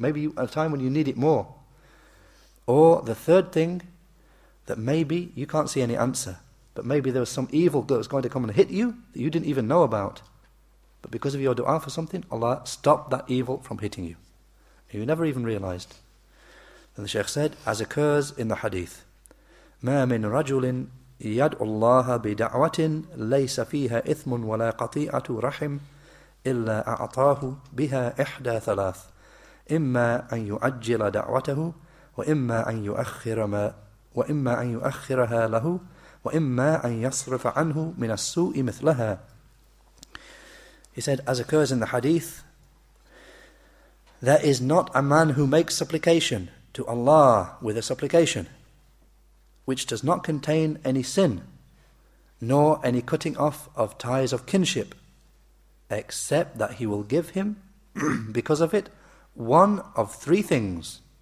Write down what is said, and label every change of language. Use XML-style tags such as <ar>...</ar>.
<en>Maybe at a time when you need it more. Or the third thing, that maybe you can't see any answer, but maybe there was some evil that was going to come and hit you that you didn't even know about. But because of your dua for something, Allah stopped that evil from hitting you. You never even realized.</en> <ar>And the Shaykh said, as occurs in the hadith, ما من رجل يدعو الله بدعوة ليس فيها إثم ولا قطيعة رحم إلا أعطاه بها إحدى ثلاث إما أن يؤجل دعوته وإما أن يؤخر ما وإما أن يؤخرها له وإما أن يصرف عنه من السوء مثلها.</ar> <en>He said, as occurs in the hadith, there is not a man who makes supplication to Allah with a supplication which does not contain any sin, nor any cutting off of ties of kinship, except that he will give him, because of it, one of three things.</en>